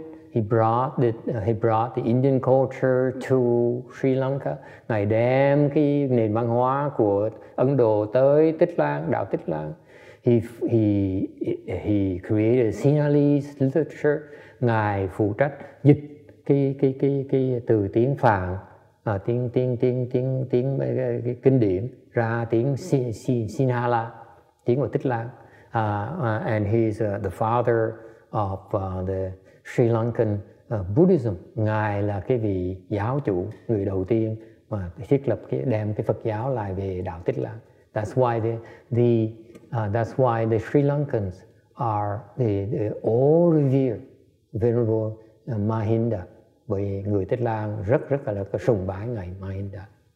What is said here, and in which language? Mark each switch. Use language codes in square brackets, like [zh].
[en] He brought the Indian culture to Sri Lanka. [vi] Ngài đem cái nền văn hóa của Ấn Độ tới Tích Lan, đảo Tích Lan. [en] He created Sinhalese literature. [vi] Ngài phụ trách dịch cái từ tiếng Phạn, tiếng kinh điển ra tiếng Sinhala, tiếng của Tích Lan. [en] And he's the father of the Sri Lankan Buddhism. [vi] Ngài là cái vị giáo chủ, người đầu tiên mà thiết lập đem cái Phật giáo lại về đạo Tích Lan. [en] That's why the Sri Lankans are the all revered, venerable Mahinda, [vi] bởi người Tích Lan rất rất là sùng bái ngài Mahinda.